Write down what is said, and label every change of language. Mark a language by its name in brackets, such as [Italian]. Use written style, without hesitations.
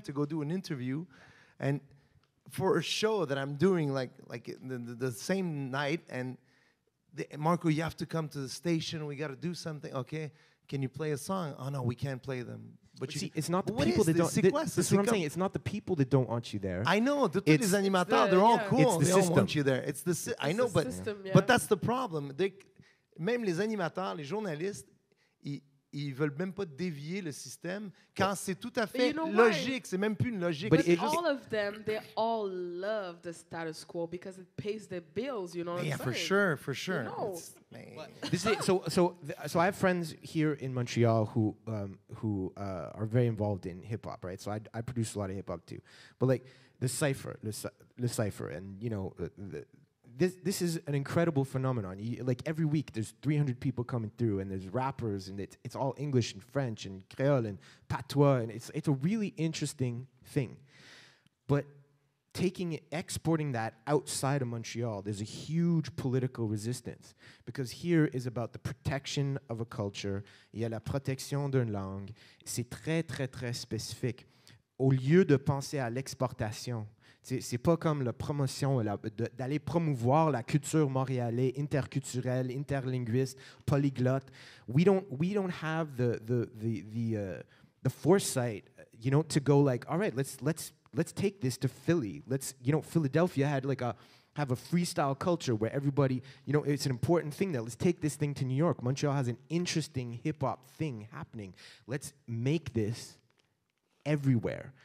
[English] to go do an interview, and for a show that I'm doing like the same night, and Marco, you have to come to the station. We got to do something. Okay, can you play a song? Oh no, we can't play them. But see, it's not the people that don't want you there. I know, it's the animators. They're all cool. It's the they system. All want you there. It's the system. I know, the but system, yeah. But that's the problem. [French] Même les animateurs, les journalistes, ils veulent même pas dévier le système quand c'est tout à fait logique. C'est même plus une logique. [English] But it's all of them, they all love the status quo because it pays their bills, you know what I'm saying? Yeah, for sure. You know. So I have friends here in Montreal who are very involved in hip-hop, right? So I produce a lot of hip-hop too. But like the cypher, and you know, This is an incredible phenomenon. Like every week, there's 300 people coming through, and there's rappers, and it's all English and French and Creole and Patois, and it's a really interesting thing. But exporting that outside of Montreal, there's a huge political resistance because here is about the protection of a culture. [French] Il y a la protection d'une langue. C'est très très très spécifique. Au lieu de penser à l'exportation. C'est pas comme la promotion, d'aller promouvoir la culture montréalaise, interculturelle, interlinguiste, polyglotte. [English] We don't have the foresight, you know, to go like, all right, let's take this to Philly. Let's, you know, Philadelphia had like a freestyle culture where everybody, you know, it's an important thing that let's take this thing to New York. Montreal has an interesting hip hop thing happening. Let's make this everywhere.